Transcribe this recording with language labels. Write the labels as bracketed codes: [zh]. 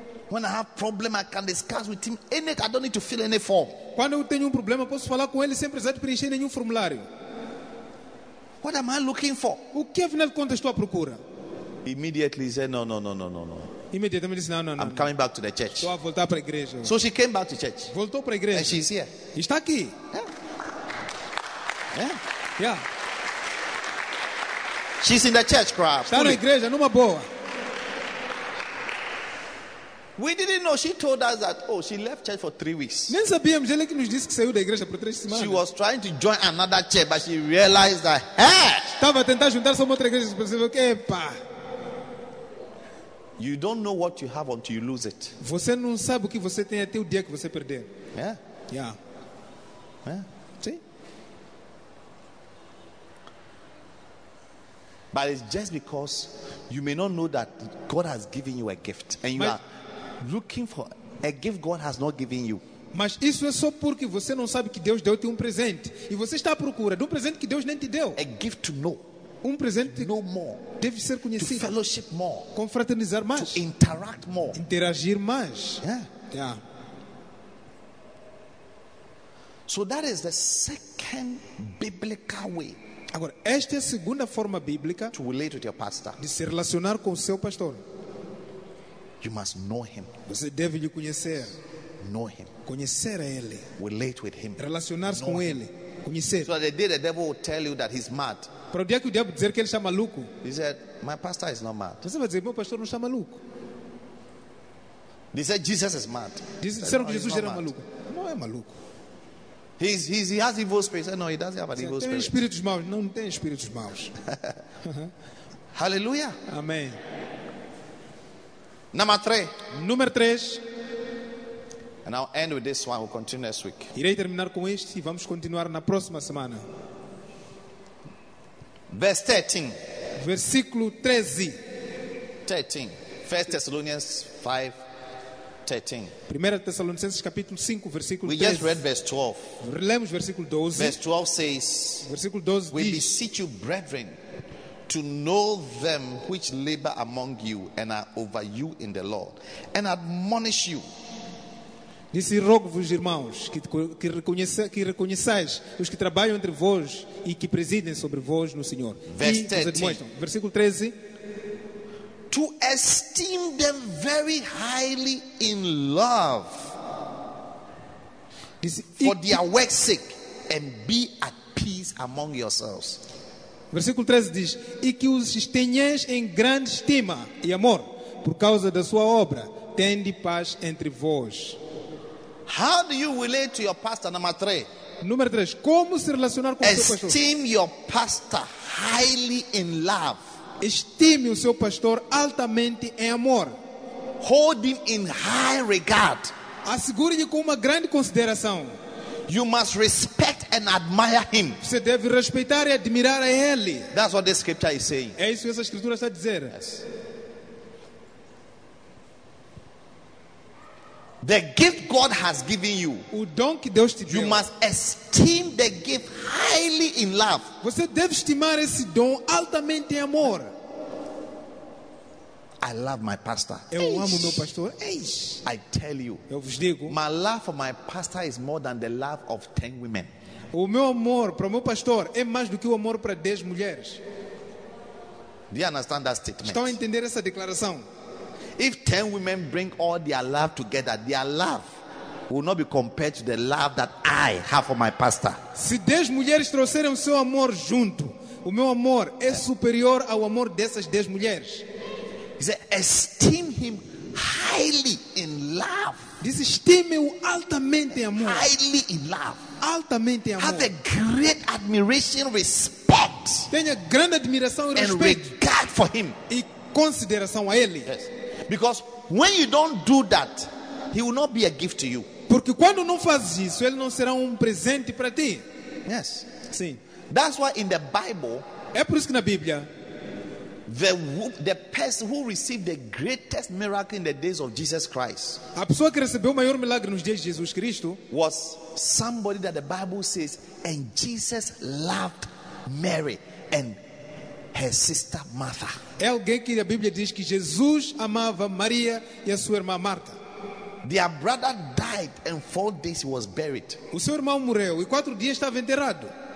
[en] When I have problem, I can discuss with him. I don't need to fill any form. [pt] Quando eu tenho problema, posso falar com ele sem precisar de preencher nenhum formulário. [en] What am I looking for? [pt] O que afinal de contas estou à procura? [en] Immediately said, no. Immediately said, no. I'm coming back to the church. [pt] Estou a voltar para a igreja. [en] So she came back to church. [pt] Voltou para a igreja. [en] And she's here. [pt] Está aqui. [en] Yeah. Yeah. She's in the church, crap. [pt] Está na igreja, numa boa. [en] We didn't know. She told us that she left church for 3 weeks. [pt] Nem sabíamos. Ela que nos disse que saiu da igreja por 3 semanas. [en] She was trying to join another church, but she realized that. [pt] Estava a tentar juntar-se a uma outra igreja, percebeu que epa. [en] You don't know what you have until you lose it. [pt] Você não sabe o que você tem até o dia que você perder. [en] Yeah. Yeah. Yeah. See? But it's just because you may not know that God has given you a gift and you are looking for a gift God has not given you. [pt] Mas isso é só porque você não sabe que Deus deu-te presente. E você está à procura de presente que Deus nem te deu. [en] A gift to know. [pt] Presente [en] to know more. [pt] Deve ser conhecido. [en] To fellowship more. [pt] Confraternizar mais. [en] To interact more. [pt] Interagir mais. [en] Yeah. Yeah. So that is the second biblical way. [pt] Agora, esta é a segunda forma bíblica [en] to relate with your pastor. [pt] De se relacionar com o seu pastor. [en] You must know him. [pt] Você deve lhe conhecer. [en] Know him. [pt] Conhecer a ele. [en] Relate with him. [pt] Relacionar-se com ele. Conhecer. [en] So the day the devil will tell you that he's mad. [pt] Para o dia que o diabo dizer que ele está maluco. [en] He said, my pastor is not mad. [pt] Você vai dizer, meu pastor não está maluco. [en] They said, Jesus is mad. [pt] Disseram que Jesus era maluco. Não é maluco. [en] He has evil spirits. No, he doesn't have an evil spirit. [pt] Tem espíritos maus. Não tem espíritos maus. [en] Hallelujah. [pt] Amém. Número 3. [en] And I'll end with this one. We'll continue next week. [pt] Irei terminar com este e vamos continuar na próxima semana. [en] Verse 13. [pt] Versículo 13. [en] 13. 1 Thessalonians 5, 13. [pt] 1 Thessalonicenses capítulo 5, versículo [en] 13. We just read verse 12. [pt] Lemos versículo 12. [en] Verse 12 says, [pt] versículo 12 [en] we [pt] diz, [en] beseech you, brethren, to know them which labor among you and are over you in the Lord, and admonish you. [pt] Disse, rogo-vos, irmãos, que reconheçais os que trabalham entre vós e que presidem sobre vós no Senhor. [en] Verse 13. [pt] Versículo 13. [en] to esteem them very highly in love for their work's sake, and be at peace among yourselves. [pt] Versículo 13 diz: e que os tenhais em grande estima e amor por causa da sua obra, tende paz entre vós. [en] How do you relate to your pastor? Number 3. [pt] Número 3. Como se relacionar com o seu pastor? [en] Esteem your pastor highly in love. [pt] Estime o seu pastor altamente em amor. [en] Hold him in high regard. [pt] Assegure-lhe com uma grande consideração. [en] You must respect and admire him. [pt] Você deve respeitar e admirar a ele. [en] That's what the scripture is saying. [pt] É isso que essa escritura está a dizer. [en] Yes. The gift God has given you. [pt] O dom que Deus te deu. [en] You must esteem the gift highly in love. [pt] Você deve estimar esse dom altamente em amor. [en] I love my pastor. [pt] Eu amo meu pastor. Eish. [en] I tell you. [pt] Eu vos digo. [en] My love for my pastor is more than the love of 10 women. [pt] O meu amor para o meu pastor é mais do que o amor para 10 mulheres. [en] Do you understand that statement? [pt] Estão a entender essa declaração? [en] If 10 women bring all their love together, their love will not be compared to the love that I have for my pastor. [pt] Se 10 mulheres trouxerem o seu amor junto, o meu amor é superior ao amor dessas 10 mulheres. [en] He said, esteem him highly in love. [pt] Diz, estime-o altamente em amor. [en] Highly in love. [pt] Altamente em amor. [en] Have a great admiration, respect. [pt] Tenha grande admiração e respeito. [en] And regard for him. [pt] E consideração a ele. [en] Yes. Because when you don't do that, he will not be a gift to you. [pt] Porque quando não fazes isso, ele não será presente para ti. [en] Yes. [pt] Sim. [en] That's why in the Bible. [pt] É por isso que na Bíblia. [en] The person who received the greatest miracle in the days of Jesus Christ. [pt] A pessoa que recebeu o maior milagre nos dias de Jesus Cristo. [en] Was somebody that the Bible says, and Jesus loved Mary and her sister Martha. [pt] É alguém que a Bíblia diz que Jesus amava Maria e a sua irmã Marta. [en] Their brother died and 4 days he was buried. [pt] O seu irmão morreu e 4 dias estava enterrado.